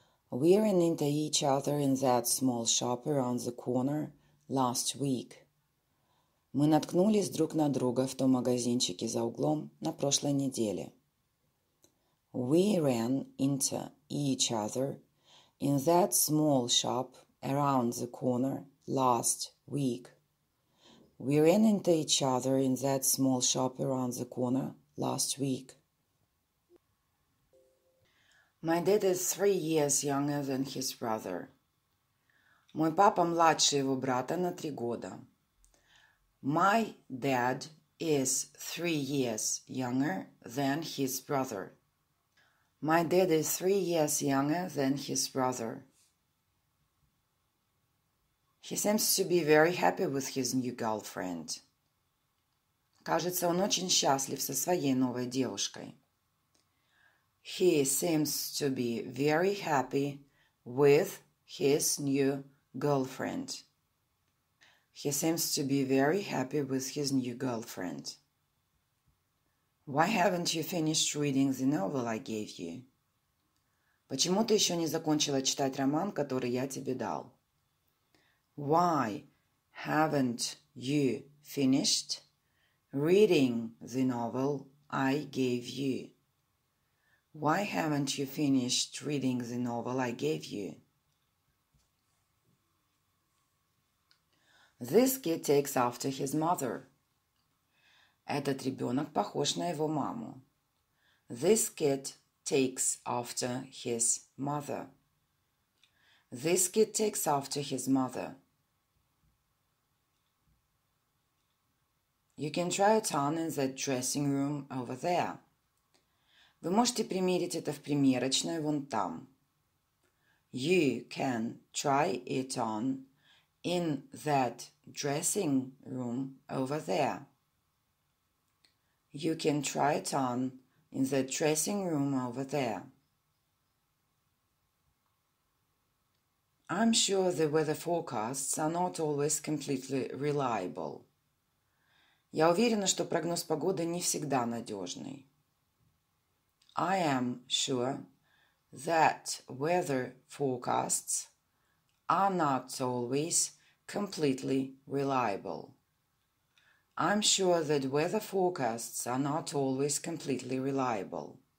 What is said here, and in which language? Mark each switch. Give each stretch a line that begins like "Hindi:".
English: We ran into each other in that small shop around the corner last week.
Russian: Мы наткнулись друг на друга в том магазинчике за углом на прошлой неделе.
English: We ran into each other in that small shop around the corner last week. We ran into each other in that small shop around the corner last week. My dad is 3 years younger than his brother.
Russian: Мой папа младше его брата на 3 года.
English: My dad is 3 years younger than his brother. My dad is 3 years younger than his brother. He seems to be very happy with his new girlfriend.
Russian: Кажется, он очень счастлив со своей новой девушкой.
English: He seems to be very happy with his new girlfriend. He seems to be very happy with his new girlfriend. Why haven't you finished reading the novel I gave you?
Russian: Почему ты еще не закончила читать роман, который я тебе дал?
English: Why haven't you finished reading the novel I gave you? Why haven't you finished reading the novel I gave you? This kid takes after his mother.
Russian: Этот ребенок похож на его маму.
English: This kid takes after his mother. This kid takes after his mother. You can try it on in the dressing room over there.
Russian: Вы можете примерить это в примерочной вон там.
English: You can try it on in that dressing room over there. You can try it on in the dressing room over there. I'm sure the weather forecasts are not always completely reliable.
Russian: Я уверена, что прогноз погоды не всегда надежный.
English: I am sure that weather forecasts are not always completely reliable. I'm sure that weather forecasts are not always completely reliable.